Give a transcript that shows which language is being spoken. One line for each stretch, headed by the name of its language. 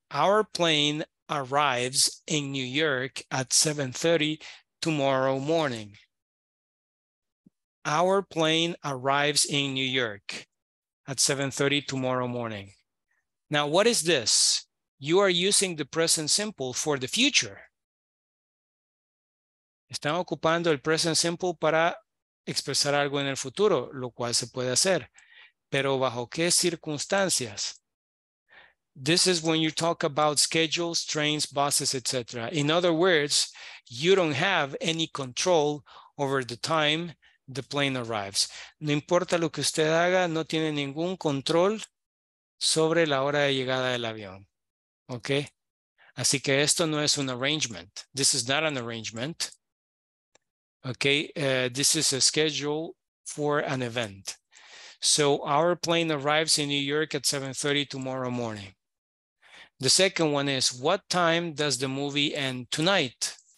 English: Our plane arrives in New York at 7:30 tomorrow morning. Our plane arrives in New York at 7:30 tomorrow morning. Now, what is this? You are using the present simple for the future.
Spanish: Están ocupando el present simple para expresar algo en el futuro, lo cual se puede hacer. Pero bajo qué circunstancias?
English: This is when you talk about schedules, trains, buses, etc. In other words, you don't have any control over the time the plane arrives.
Spanish: No importa lo que usted haga, no tiene ningún control sobre la hora de llegada del avión. Okay? Así que esto no es un arrangement.
English: This is not an arrangement. Okay, this is a schedule for an event. So our plane arrives in New York at 7:30 tomorrow morning. The second one is, what time does the movie end tonight?